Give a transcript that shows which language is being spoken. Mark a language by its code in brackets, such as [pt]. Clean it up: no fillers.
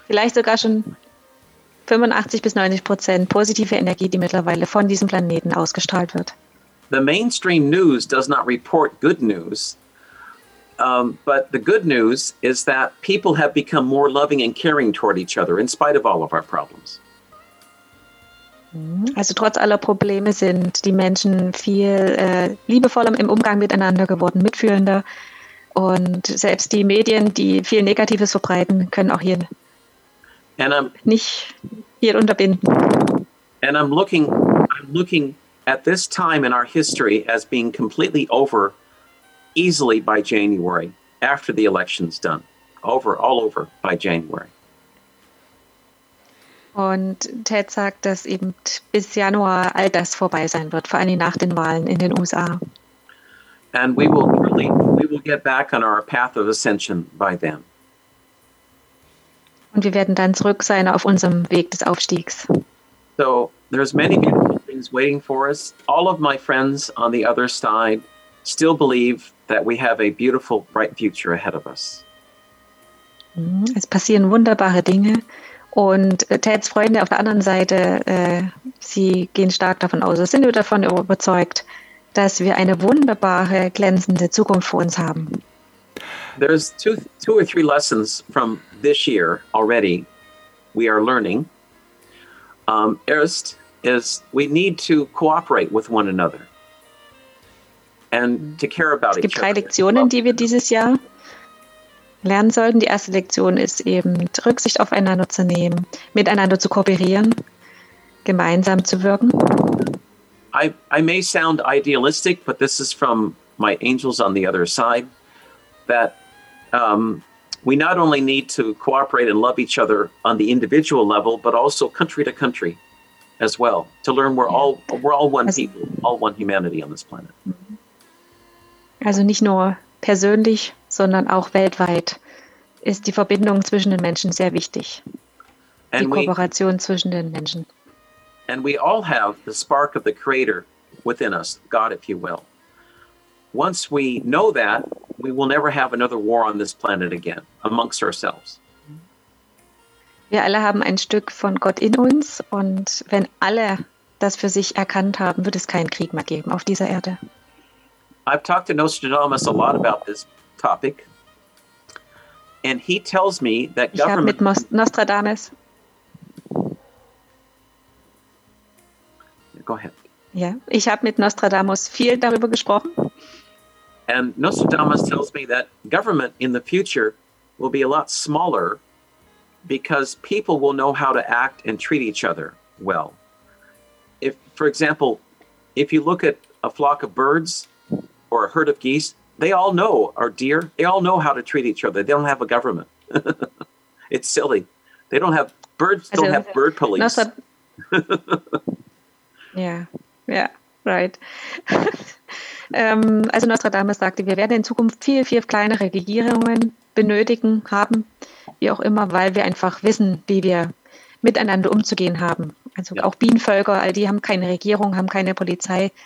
[de] Vielleicht sogar schon 85-90% positive Energie, die mittlerweile von diesem Planeten ausgestrahlt wird. [en] The mainstream news does not report good news, but the good news is that people have become more loving and caring toward each other in spite of all of our problems. [de] Also trotz aller Probleme sind die Menschen viel liebevoller im Umgang miteinander geworden, mitfühlender. Und selbst die Medien, die viel Negatives verbreiten, können auch hier nicht hier unterbinden. [en] And I'm looking at this time in our history as being completely over easily by January, after the election's done. Over, all over by January. [de] Und Ted sagt, dass eben bis Januar all das vorbei sein wird, vor allem nach den Wahlen in den USA. [en] And we will get back on our path of ascension by then. [de] Und wir werden dann zurück sein auf unserem Weg des Aufstiegs. [en] So, there's many beautiful things waiting for us. All of my friends on the other side still believe that we have a beautiful, bright future ahead of us. [de] Es passieren wunderbare Dinge. Und Teds Freunde auf der anderen Seite, sie gehen stark davon aus, sind wir davon überzeugt, dass wir eine wunderbare, glänzende Zukunft vor uns haben. [en] There's two or three lessons from this year already we are learning. Erst is we need to cooperate with one another and to care about each other. [de] Es gibt drei Lektionen, die wir dieses Jahr lernen sollten. Die erste Lektion ist eben, Rücksicht aufeinander zu nehmen, miteinander zu kooperieren, gemeinsam zu wirken. [en] I may sound idealistic, but this is from my angels on the other side, that we not only need to cooperate and love each other on the individual level, but also country to country as well, to learn we're all one people, all one humanity on this planet. [de] Also nicht nur persönlich, sondern auch weltweit ist die Verbindung zwischen den Menschen sehr wichtig. Die Kooperation zwischen den Menschen. [en] And we all have the spark of the Creator within us, God, if you will. Once we know that, we will never have another war on this planet again, amongst ourselves. [de] Wir alle haben ein Stück von Gott in uns, und wenn alle das für sich erkannt haben, wird es keinen Krieg mehr geben auf dieser Erde. [en] I've talked to Nostradamus a lot about this topic, and he tells me that government. [de] Ich habe mit Nostradamus. [en] Go ahead. [de] Ja, ich habe mit Nostradamus viel darüber gesprochen. [en] And Nostradamus tells me that government in the future will be a lot smaller, because people will know how to act and treat each other well. If, for example, if you look at a flock of birds or a herd of geese, they all know, or deer, they all know how to treat each other. They don't have a government. It's silly. They don't have, birds don't have bird police. Yeah, right. [de] also Nostradamus sagte, wir werden in Zukunft viel, viel kleinere Regierungen benötigen haben, wie auch immer, weil wir einfach wissen, wie wir miteinander umzugehen haben. Also auch Bienenvölker, all die haben keine Regierung, haben keine Polizei.